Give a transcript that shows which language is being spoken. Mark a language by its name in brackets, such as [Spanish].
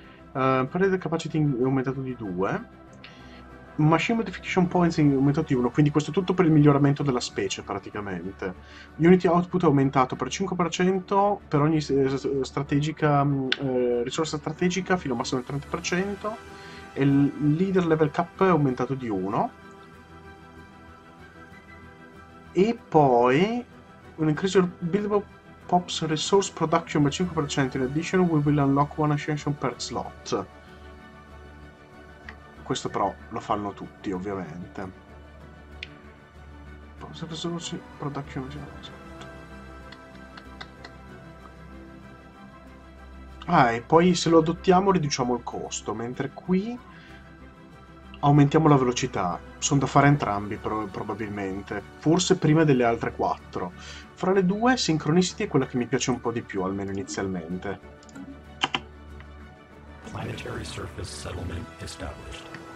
[Italian] Predator Capacity è aumentato di 2. Machine Modification Points è aumentato di 1, quindi questo è tutto per il miglioramento della specie, praticamente. Unity Output è aumentato per 5% per ogni risorsa strategica, fino a massimo del 30%. E il leader level cap è aumentato di 1. E poi un [English] increase your buildable pops resource production by 5%. In addition, we will unlock one ascension per slot. [Italian] Questo però lo fanno tutti, ovviamente. [English] Pops resource production by 5%. [Italian] Ah, e poi se lo adottiamo riduciamo il costo, mentre qui aumentiamo la velocità. Sono da fare entrambi, probabilmente. Forse prima delle altre quattro. Fra le due, Synchronicity è quella che mi piace un po' di più, almeno inizialmente. [English] Planetary surface settlement established.